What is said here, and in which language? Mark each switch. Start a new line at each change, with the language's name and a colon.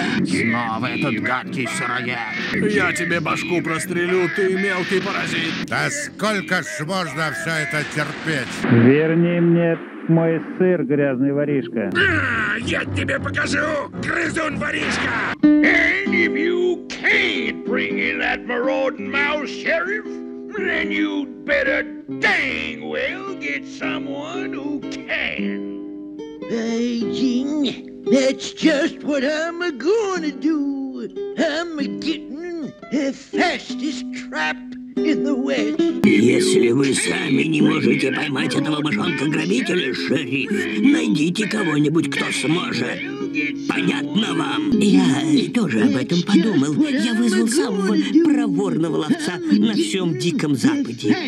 Russian: Снова этот гадкий сыроед. Я тебе башку прострелю, ты мелкий паразит. Да сколько ж можно все это терпеть? Верни мне мой сыр, грязный воришка. Я тебе покажу, грызун воришка.
English: And if you can't bring in that marauding mouse, Sheriff, then you'd better dang well get someone who can. By jing, that's just what I'm gonna do. I'm getting the fastest trap.
Russian: Если вы сами не можете поймать этого мышонка-грабителя, шериф, найдите кого-нибудь, кто сможет. Понятно вам? Я тоже об этом подумал. Я вызвал самого проворного ловца на всем Диком Западе.